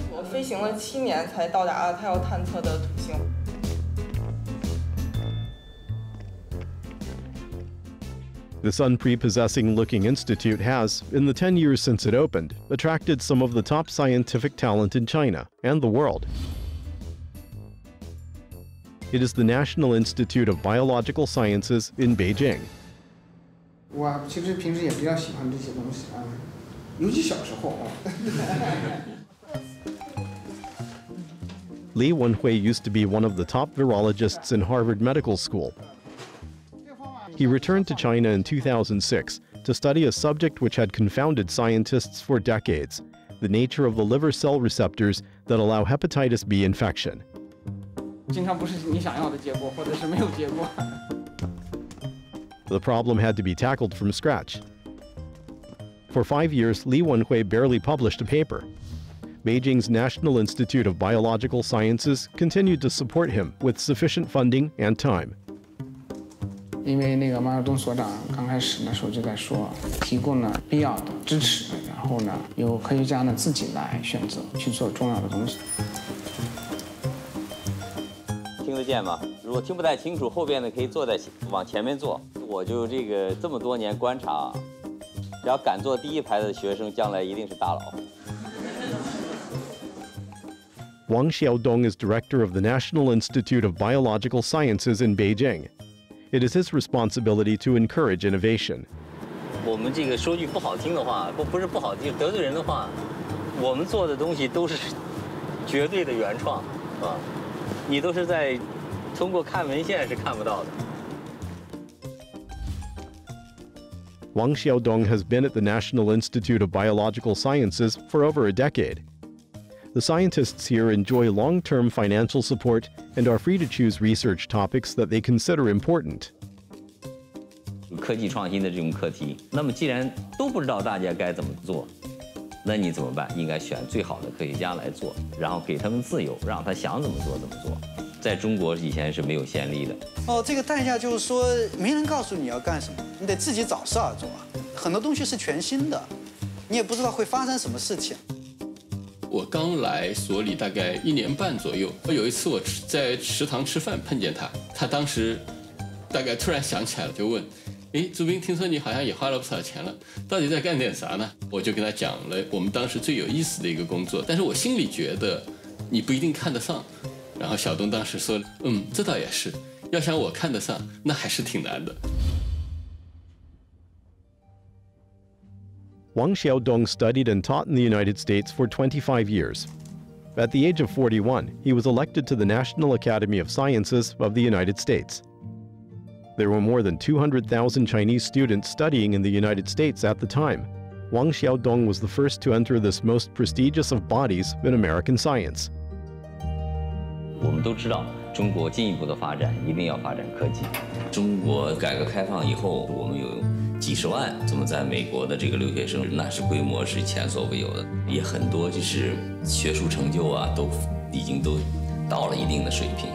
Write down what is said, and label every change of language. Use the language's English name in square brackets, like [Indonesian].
[English] This unprepossessing looking institute has, in the 10 years since it opened, attracted some of the top scientific talent in China and the world. It is the National Institute of Biological Sciences in Beijing. [Chinese] 我其实平时也比较喜欢这些东西啊，尤其小时候啊。 [English] Li Wenhui used to be one of the top virologists in Harvard Medical School. He returned to China in 2006 to study a subject which had confounded scientists for decades, the nature of the liver cell receptors that allow hepatitis B infection. [Chinese] 经常不是你想要的结果，或者是没有结果。 [English] The problem had to be tackled from scratch. For 5 years, Li Wenhui barely published a paper. Beijing's National Institute of Biological Sciences continued to support him with sufficient funding and time. [Chinese] 因为那个毛泽东所长刚开始的时候就在说，提供了必要的支持，然后呢，由科学家呢自己来选择去做重要的东西。听得见吗？如果听不太清楚，后边的可以坐在往前面坐。我就这个这么多年观察，要敢坐第一排的学生，将来一定是大佬。 [English] Wang Xiaodong is director of the National Institute of Biological Sciences in Beijing. It is his responsibility to encourage innovation. [Chinese] 我们这个说句不好听的话，不是不好听，得罪人的话，我们做的东西都是绝对的原创，啊，你都是在通过看文献是看不到的。 [English] Wang Xiaodong has been at the National Institute of Biological Sciences for over a decade. The scientists here enjoy long-term financial support and are free to choose research topics that they consider important. [Chinese] 科技创新的这种课题，那么既然都不知道大家该怎么做，那你怎么办？应该选最好的科学家来做，然后给他们自由，让他想怎么做怎么做。在中国以前是没有先例的。哦，这个代价就是说，没人告诉你要干什么，你得自己找事儿做。很多东西是全新的，你也不知道会发生什么事情。我刚来所里大概一年半左右，有一次我在食堂吃饭碰见他，他当时大概突然想起来了，就问：“哎，朱斌，听说你好像也花了不少钱了，到底在干点啥呢？” 我就跟他讲了我们当时最有意思的一个工作，但是我心里觉得你不一定看得上。然后小东当时说：“嗯，这倒也是，要想我看得上，那还是挺难的。” [English] Wang Xiaodong studied and taught in the United States for 25 years. At the age of 41, he was elected to the National Academy of Sciences of the United States. There were more than 200,000 Chinese students studying in the United States at the time. Wang Xiaodong was the first to enter this most prestigious of bodies in American science. [Chinese] 我们都知道，中国进一步的发展一定要发展科技。中国改革开放以后，我们有几十万这么在美国的这个留学生，那是规模是前所未有的，也很多就是学术成就啊，都已经都到了一定的水平。